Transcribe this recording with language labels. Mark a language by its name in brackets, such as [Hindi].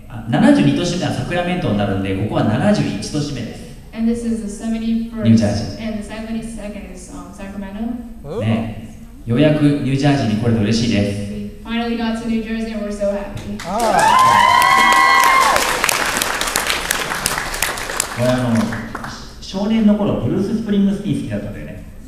[Japanese] 72都市目はサクラメントになるんで、ここは71都市目です。 [English] And this is the 71st, [Japanese] ニュージャージー。 [English] And the 72nd is Sacramento. [Japanese] ね、ようやくニュージャージーに来れて嬉しいです。 [English] We finally got to New Jersey and we're so happy. All right. [Japanese] これ少年の頃、ブルース・スプリングスティン好きだったんだよね。